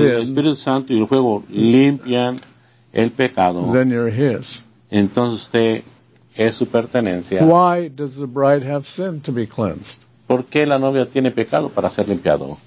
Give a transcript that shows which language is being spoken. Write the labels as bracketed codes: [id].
[es] Y el Espíritu Santo y el fuego limpian el pecado. [en] Then you're his. [es] Entonces usted... Es su pertenencia. [en] Why does the bride have sin to be cleansed? [es] ¿Por qué la novia tiene pecado para ser limpiado?